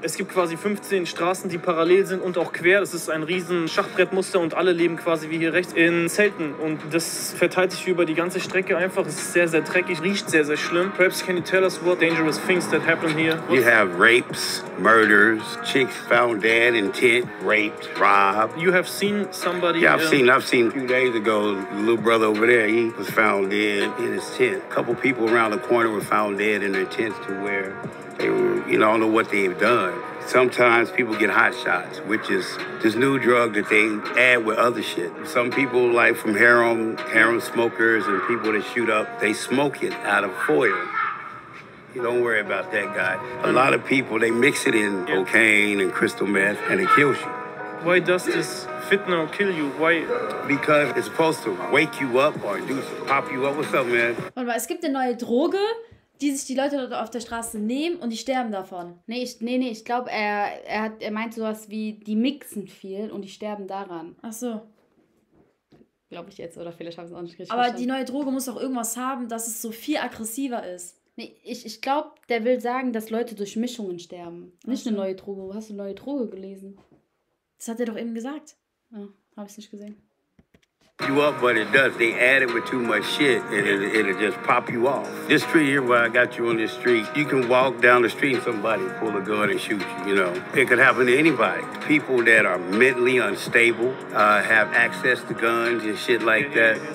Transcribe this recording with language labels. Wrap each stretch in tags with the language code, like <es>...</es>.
<de>Es gibt quasi 15 Straßen, die parallel sind und auch quer. Das ist ein riesen Schachbrettmuster und alle leben quasi wie hier rechts in Zelten. Und das verteilt sich über die ganze Strecke einfach. Es ist sehr, sehr dreckig, riecht sehr, sehr schlimm.</de> <en>Perhaps can you tell us what dangerous things that happen here? What? You have rapes, murders, chicks found dead in tent, raped, robbed. You have seen somebody? Yeah, I've seen a few days ago, the little brother over there, he was found dead in his tent. A couple people around the corner were found dead in their tents to where? They were, you know, I don't know what they've done. Sometimes people get hot shots, which is this new drug that they add with other shit. Some people, like from harem smokers and people that shoot up, they smoke it out of foil. You don't worry about that guy. A lot of people, they mix it in cocaine and crystal meth, and it kills you. Why does this fentanyl kill you? Why? Because it's supposed to wake you up or pop you up. What's up, man?</en> <de>Warte mal, es gibt eine neue Droge, die sich die Leute dort auf der Straße nehmen und die sterben davon. Ich glaube, er meint sowas wie, die mixen viel und die sterben daran. Ach so. Glaube ich jetzt, oder vielleicht haben sie es auch nicht richtig. Aber die neue Droge muss doch irgendwas haben, dass es so viel aggressiver ist. Nee, ich glaube, der will sagen, dass Leute durch Mischungen sterben. Nicht eine neue Droge. Hast du eine neue Droge gelesen? Das hat er doch eben gesagt. Ja, habe ich nicht gesehen.</de> <en>You up, but it does. They add it with too much shit, and it'll just pop you off. This street here, where I got you on this street, you can walk down the street and somebody pull a gun and shoot you, you know. It could happen to anybody. People that are mentally unstable have access to guns and shit like that.</en>